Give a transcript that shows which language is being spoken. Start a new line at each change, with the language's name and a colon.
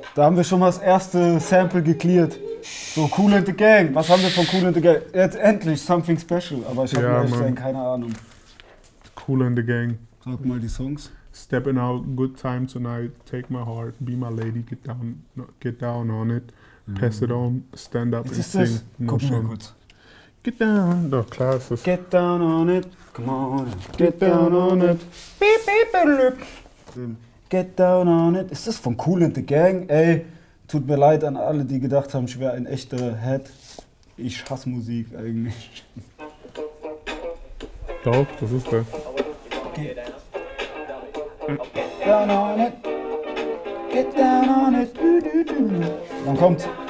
German: Da haben wir schon mal das erste Sample gecleared. So, Kool & The Gang. Was haben wir von Kool & The Gang? Jetzt endlich Something Special, aber ich habe ja, echt keine Ahnung. Kool & The Gang. Sag mal die Songs.
English: Stepping out, good time tonight, take my heart, be my lady, get down on it, pass it on, stand up
German: jetzt
English: and sing.
German: No guck mal kurz.
English: Get down,
German: doch klar ist es.
English: Get down on it, come on, get down on it. Beep, beep, beep. Get down on it.
German: Ist das von Kool & The Gang? Ey, tut mir leid an alle, die gedacht haben, ich wäre ein echter Head. Ich hasse Musik eigentlich. Doch, das ist der.
English: Get down on it. Get down on it. Dann kommt.